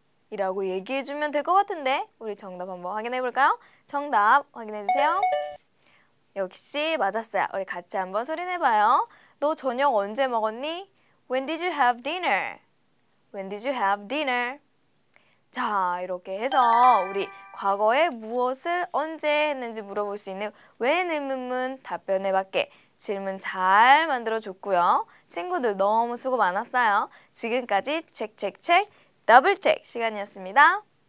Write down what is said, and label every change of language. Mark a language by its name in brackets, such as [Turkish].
[Korean] 이라고 얘기해주면 될것 같은데, 우리 정답 한번 확인해 볼까요? 정답 확인해 주세요. 역시 맞았어요. 우리 같이 한번 소리내 봐요. 너 저녁 언제 먹었니? [English] When did you have dinner? When did you have dinner? [Korean] 자, 이렇게 해서 우리 과거에 무엇을 언제 했는지 물어볼 수 있는 when 의문문 답변에 맞게 질문 잘 만들어 줬고요. 친구들 너무 수고 많았어요. 지금까지 체크 체크 체크 더블 체크 시간이었습니다.